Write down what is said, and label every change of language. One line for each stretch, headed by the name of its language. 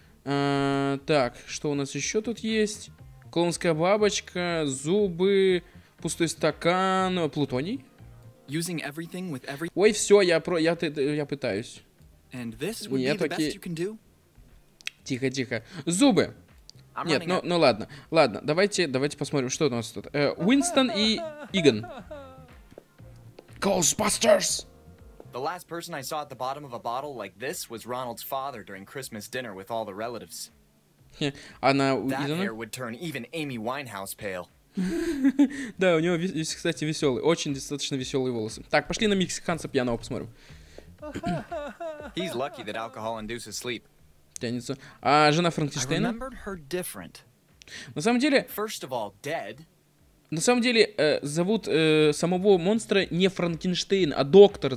Russian: Так, что у нас еще тут есть? Клоунская бабочка, зубы, пустой стакан, плутоний.
English: Using everything with every...
Russian: Ой, все, я пытаюсь. Нет, окей. Тихо. Зубы. Нет, ну ладно. Ладно, давайте посмотрим, что у нас тут. Уинстон и Иган. Ghostbusters.
English: The last person I saw at the bottom of a bottle like this was Ronald's father during Christmas dinner with all the relatives. That hair would turn even Amy Winehouse pale.
Russian: Да, у него, кстати, веселый, очень достаточно веселые волосы. Так, пошли на мексиканца пьяного посмотрим.
English: He's lucky that alcohol induces sleep.
Russian: Тянется. А жена Франкенштейна?
English: I remembered her different.
Russian: На самом деле.
English: First of all, dead.
Russian: На самом деле, зовут самого монстра не Франкенштейн, а доктор.